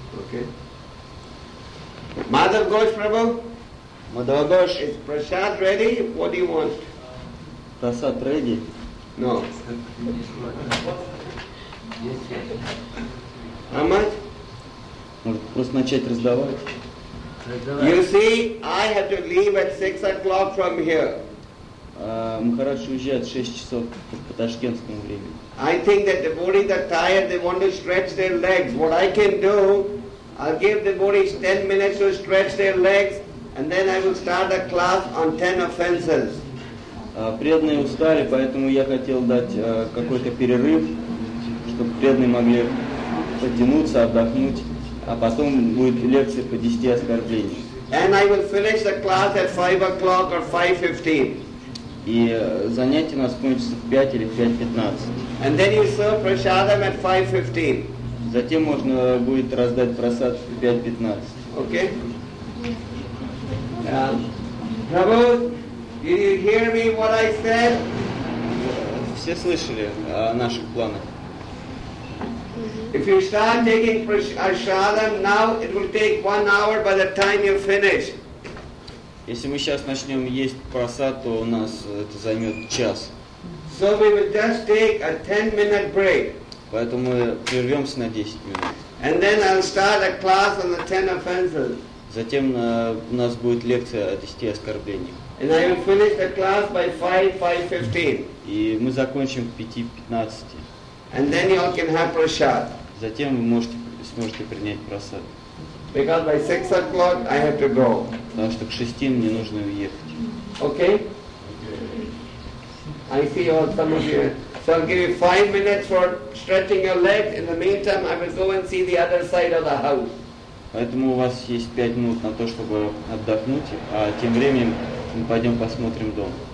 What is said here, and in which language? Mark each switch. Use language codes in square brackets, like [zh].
[en] Okay. Madhav Ghosh Prabhu. Madhav Ghosh. Is Prasad ready? What do you want? Prasad ready? No. How much? [ru] Может просто начать раздавать? [en] You see, I have to leave at 6 o'clock from here. [ru] Махарадж уезжает в 6 часов по ташкентскому времени. [en] I think that the devotees are tired, they want to stretch their legs. What I can do, I'll give the devotees 10 minutes to stretch their legs, and then I will start a class on 10 offenses. [ru] Преданные устали, поэтому я хотел дать какой-то перерыв, чтобы преданные могли подтянуться, отдохнуть. А потом будет лекция по 10 оскорблениям. [en] And I will finish the class at 5 o'clock or 5:15. [ru] И занятие у нас кончится в 5 или 5:15. [en] And then you serve prasadam at 5:15. [ru] Затем можно будет раздать просад в 5:15. [en] Okay. Did you hear me what I said? [ru] Все слышали о наших планах. [en] If you start taking prasadam now, it will take 1 hour by the time you finish. [ru] Если мы сейчас начнем есть просад, то у нас это займет час. [en] So we will just take a 10-minute break. [ru] Поэтому мы прервемся на 10 минут. [en] And then I'll start a class on the 10 offenses. [ru] Затем у нас будет лекция о 10 оскорблениях. [en] And I will finish the class by 5:15. [ru] И мы закончим к 5:15. [en] And then you all can have prasad. [ru] Затем вы сможете принять просад. [en] Because by 6 o'clock I have to go. [ru] Потому что к 6 мне нужно уехать. [en] Okay. I see all some of you. So I'll give you 5 minutes for stretching your legs. In the meantime, I will go and see the other side of the house. [ru] Поэтому у вас есть 5 минут на то, чтобы отдохнуть, а тем временем мы пойдем посмотрим дом.